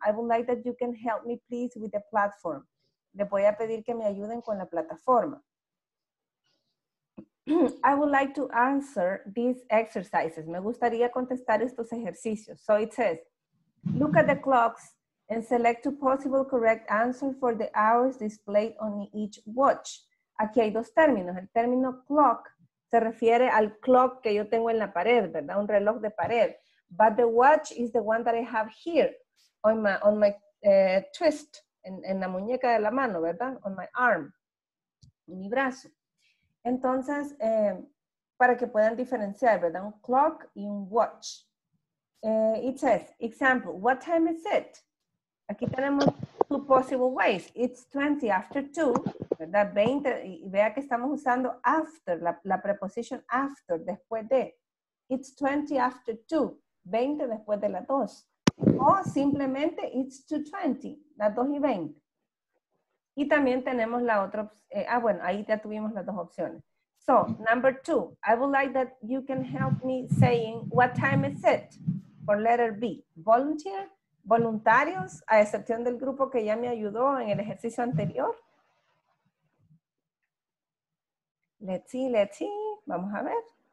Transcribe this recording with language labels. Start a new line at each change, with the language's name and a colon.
English: I would like that you can help me, please, with the platform.
Spanish: Le voy a pedir que me ayuden con la plataforma.
English: I would like to answer these exercises.
Spanish: Me gustaría contestar estos ejercicios.
English: So it says, look at the clocks and select two possible correct answers for the hours displayed on each watch.
Spanish: Aquí hay dos términos. El término clock se refiere al clock que yo tengo en la pared, ¿verdad? Un reloj de pared.
English: But the watch is the one that I have here on my
Spanish: la muñeca de la mano, ¿verdad?
English: On my arm,
Spanish: en mi brazo. Entonces, para que puedan diferenciar, ¿verdad? Un clock y un watch.
English: It says, example, what time is it?
Spanish: Aquí tenemos
English: two possible ways. It's 20 after 2,
Spanish: ¿verdad? 20, y vea que estamos usando after, la preposición after, después de.
English: It's 20 after 2,
Spanish: 20 después de la 2. O simplemente,
English: it's 2:20,
Spanish: las 2 y 20. Y también tenemos la otra, bueno, ahí ya tuvimos las dos opciones.
English: So, number 2, I would like that you can help me saying, what time is it?
Spanish: For letter B, volunteer, voluntarios, a excepción del grupo que ya me ayudó en el ejercicio anterior.
English: Let's see,
Spanish: vamos a ver.